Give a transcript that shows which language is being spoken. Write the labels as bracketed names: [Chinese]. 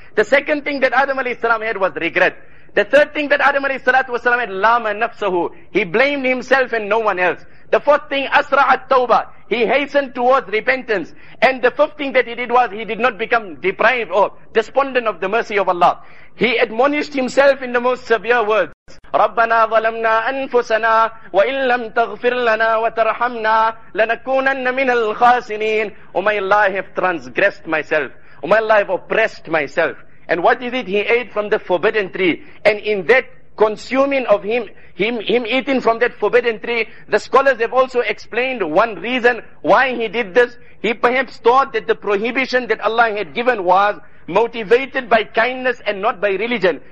[English] The second thing that Adam alayhi salam had was regret. The third thing that Adam alayhi salatu wasalam had, lama nafsahu, he blamed himself and no one else. The fourth thing, asra'at tawbah, he hastened towards repentance. And the fifth thing that he did was, he did not become deprived or despondent of the mercy of Allah. He admonished himself in the most severe words. [Arabic] ربنا ظلمنا أنفسنا وإن لم تغفر لنا وترحمنا لنكونن من الخاسرين. [English] Oh my Allah, I have transgressed myself. Oh my Allah, I have oppressed myself. And what is it? He ate from the forbidden tree. And in that consuming of him eating from that forbidden tree, the scholars have also explained one reason why he did this. He perhaps thought that the prohibition that Allah had given was motivated by kindness and not by religion.